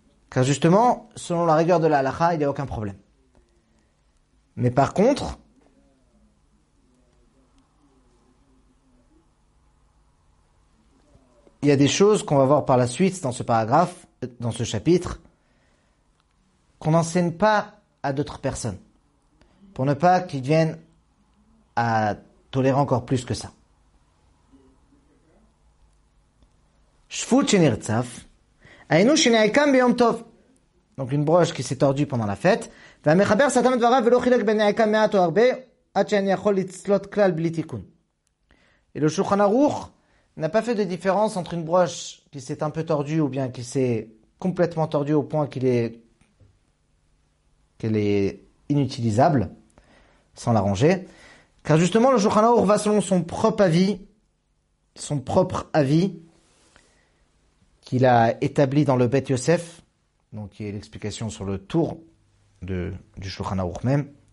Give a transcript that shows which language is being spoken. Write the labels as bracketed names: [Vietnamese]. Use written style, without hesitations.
[French] Car justement, selon la rigueur de la halakha, il n'y a aucun problème. Mais par contre, il y a des choses qu'on va voir par la suite dans ce paragraphe, dans ce chapitre, qu'on n'enseigne pas à d'autres personnes, pour ne pas qu'ils viennent à tolérer encore plus que ça. [Hebrew] Shfut shenirtzaf, aynu shenayakam biyom tov. [French] donc une broche qui s'est tordue pendant la fête. [Hebrew] והמחבר סתם דבריו ולא חילק בין העיקה מעט או הרבה, עד שאני יכול לצלות כלל בלי תיקון. [French] Et le Shulchan Aruch n'a pas fait de différence entre une broche qui s'est un peu tordue ou bien qui s'est complètement tordue au point qu'elle est inutilisable sans la ranger. Car justement, le Shulchan Aruch va selon son propre avis qu'il a établi dans le Bet Yosef, donc qui est l'explication sur le tour du Shulchan Aruch même.